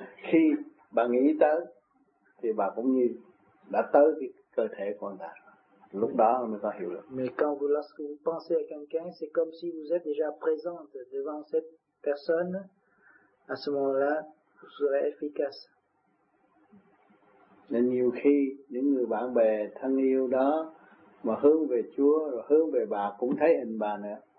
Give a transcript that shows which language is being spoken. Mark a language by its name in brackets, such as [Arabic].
[Vietnamese] Khi bà nghĩ tới, thì bà cũng như đã tới cái cơ thể của bà. Lúc đó mới có hiểu được. [French] Mais quand vous, lorsque vous pensez à quelqu'un, c'est comme si vous êtes déjà présente devant cette personne. À ce moment-là, vous serez efficace. [Vietnamese] Nên nhiều khi những người bạn bè thân yêu đó mà hướng về Chúa rồi hướng về bà cũng thấy hình bà nữa.